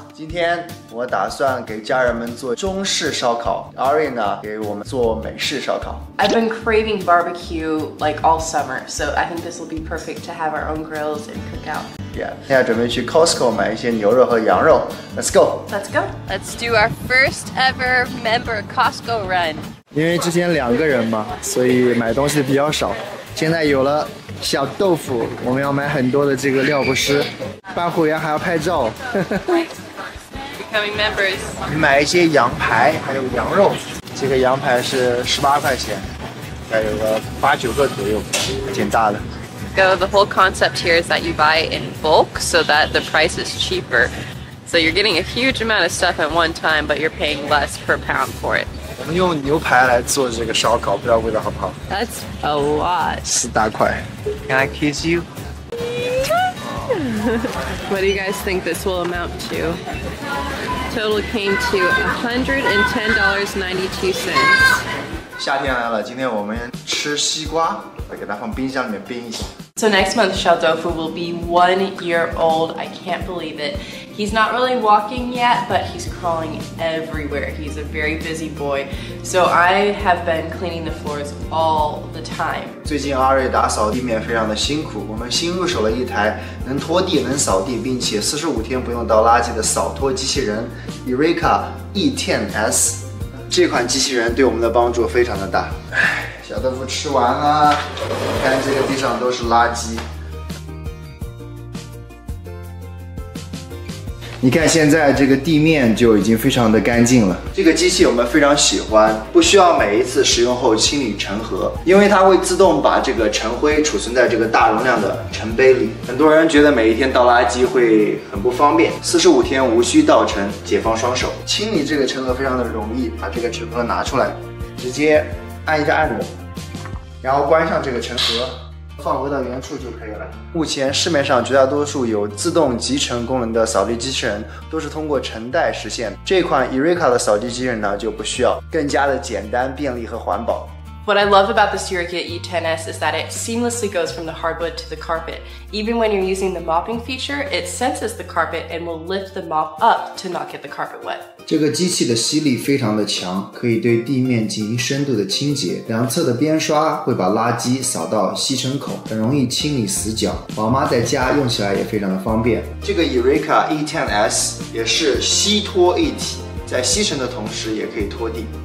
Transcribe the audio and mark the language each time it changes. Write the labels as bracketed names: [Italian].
[Chinese] 今天我打算给家人们做中式烧烤 ，Ari 呢给我们做美式烧烤。 [English] I've been craving barbecue like all summer, so I think this will be perfect to have our own grills and cook out. [Chinese] Yeah, 现在准备去 Costco 买一些牛肉和羊肉。 [English] Let's go. Let's go. Let's do our first ever member Costco run. [Chinese] 因为之前两个人嘛，所以买东西比较少。现在有了小豆腐，我们要买很多的这个料不湿，办会员还要拍照。 [English] Members. [Chinese] 买一些羊排，还有羊肉。这个羊排是18块钱，还有个8-9个左右，挺大的。 [English] So the whole concept here is that you buy in bulk so that the price is cheaper. So you're getting a huge amount of stuff at one time, but you're paying less per pound for it. [Chinese] 我们用牛排来做这个烧烤，不知道味道好不好。 [English] That's a lot. [Chinese] 4大块。 [English] Can I kiss you? What do you guys think this will amount to? Total came to $110.92. [Chinese] 夏天来了，今天我们吃西瓜，来给它放冰箱里面冰一下。 [English] So next month, 小豆腐 will be 1 year old. I can't believe it. He's not really walking yet, but he's crawling everywhere. He's a very busy boy. So I have been cleaning the floors all the time. [Chinese] 最近阿瑞打扫地面非常的辛苦。我们新入手了一台能拖地、能扫地，并且45天不用倒垃圾的扫拖机器人 ，Eureka E10S。这款机器人对我们的帮助非常的大。小豆腐吃完了，看这个地上都是垃圾。你看现在这个地面就已经非常的干净了。这个机器我们非常喜欢，不需要每一次使用后清理尘盒，因为它会自动把这个尘灰储存在这个大容量的尘杯里。很多人觉得每一天倒垃圾会很不方便，45天无需倒尘，解放双手清理这个尘盒非常的容易。把这个尘盒拿出来，直接按一下按钮，然后关上这个尘盒，放回到原处就可以了。目前市面上绝大多数有自动集尘功能的扫地机器人都是通过尘袋实现，这款 Eureka 的扫地机器人呢就不需要，更加的简单、便利和环保。 [English] What I love about this Eureka E10S is that it seamlessly goes from the hardwood to the carpet. Even when you're using the mopping feature, it senses the carpet and will lift the mop up to not get the carpet wet. [Chinese] 这个机器的吸力非常的强，可以对地面进行深度的清洁。两侧的边刷会把垃圾扫到吸尘口，很容易清理死角。宝妈在家用起来也非常的方便。这个 Eureka E10S 也是吸拖一体，在吸尘的同时也可以拖地。